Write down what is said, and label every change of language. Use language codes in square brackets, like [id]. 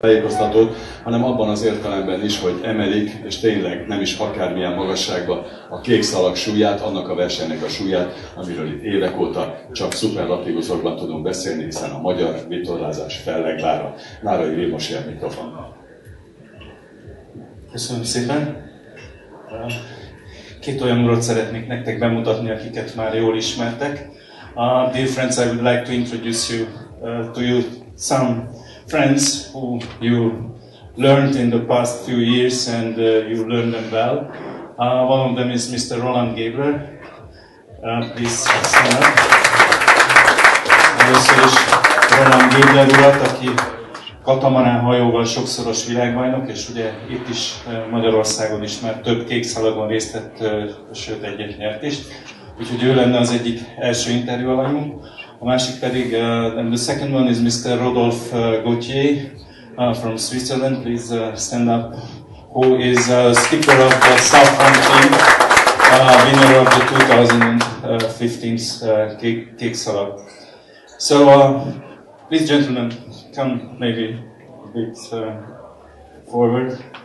[hu] tájékoztatót, hanem abban az értelemben is, hogy emelik, és tényleg nem is akármilyen magasságba a kék szalag súlyát, annak a versenynek a súlyát, amiről itt évek óta csak szuperlatívuszokban tudunk beszélni, hiszen a magyar vitorlázás fellegvára. Nárai Vilmos ilyen mikrofonnal. Köszönöm szépen! Két olyan urat szeretnék nektek bemutatni, akiket már jól ismertek. [en] Dear friends, I would like to introduce you to you some friends who you learned in the past few years and you learned them well. One of them is Mr. Roland Gabler. Please stand up. [hu] Először is Roland Gabler urat, aki katamarán hajóval sokszoros világbajnok, és ugye itt is Magyarországon is már több kék szalagon részt vett, sőt egyet nyert is. Úgyhogy ő lenne az egyik első interjú alanyunk. A másik pedig, [en] and the second one is Mr. Rodolphe Gauthier from Switzerland. Please stand up. Who is a skipper of the Southland team, winner of the 2015 kék szalag. So, please gentlemen, come maybe a bit forward.